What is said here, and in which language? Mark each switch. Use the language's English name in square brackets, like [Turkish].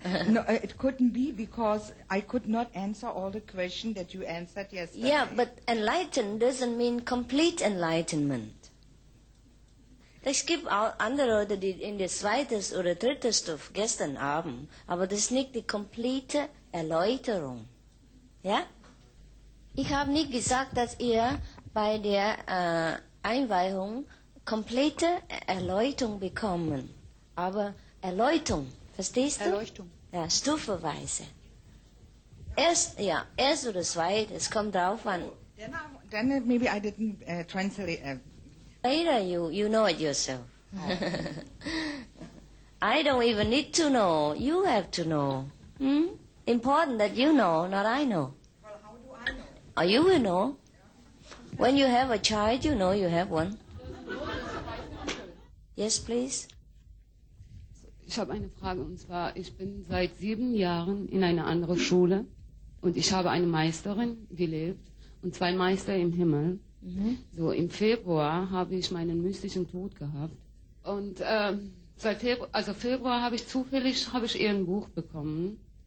[English] No, it couldn't be because I could not answer all the questions that you answered yesterday. Yeah, but enlightened doesn't mean complete enlightenment. [German] Es gibt auch andere Leute, die in der zweiten oder dritten Stufe gestern Abend, aber das ist nicht die komplette Erläuterung. Ja? Ich habe nicht gesagt, dass ihr bei der Einweihung komplette Erläuterung bekommen, aber Erläuterung, verstehst du? Erleuchtung. Ja, stufenweise. Erst oder zweit, es kommt drauf an. [English] Then maybe I didn't translate. Later, you know it yourself. Oh. I don't even need to know. You have to know. Hmm? Important that you know, not I know. Well, how do I know? Oh, you will know. Yeah. When you have a child, you know you have one. Yes, please. [German] Ich habe eine Frage, und zwar, ich bin seit 7 Jahren in einer anderen Schule und ich habe eine Meisterin, die lebt, und 2 Meister im Himmel. So, im Februar habe ich meinen mystischen Tod gehabt. Und seit Februar habe ich zufällig ihren Buch bekommen.